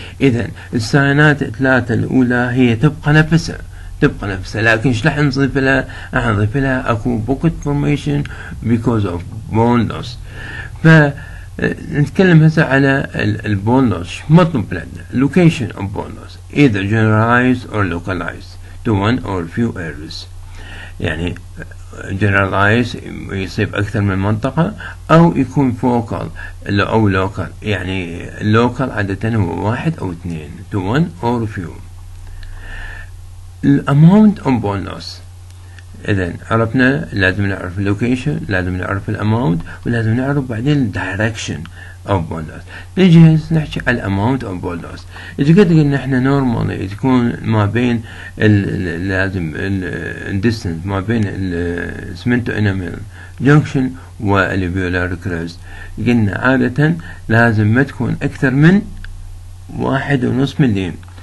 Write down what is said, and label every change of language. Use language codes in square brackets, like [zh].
[ar] إذن الساينات الثلاثة الأولى هي تبقى نفسها، تبقى نفسها، لكن شلح نضيف لها؟ راح نضيف لها أكو [en] pocket formation because of bone loss. [ar] ف نتكلم هسه على البون لوس، مطلوب لنا [en] location of bone loss either generalized or localized to one or few areas. [ar] يعني generalized يصيب أكثر من منطقة، أو يكون focal أو local، يعني local عادة هو واحد أو اثنين [en] to one or few. amount of bone loss، [ar] إذن عرفنا لازم نعرف location، لازم نعرف amount، ولازم نعرف بعدين [en] direction of bone loss. [ar] نجي نحكي على [en] amount of bone loss. [ar] إذا قد قلنا إحنا normally تكون ما بين لازم distance ما بين cemento enamel junction والalveolar crest، قلنا عادة لازم ما تكون أكثر من 1.5 ملم.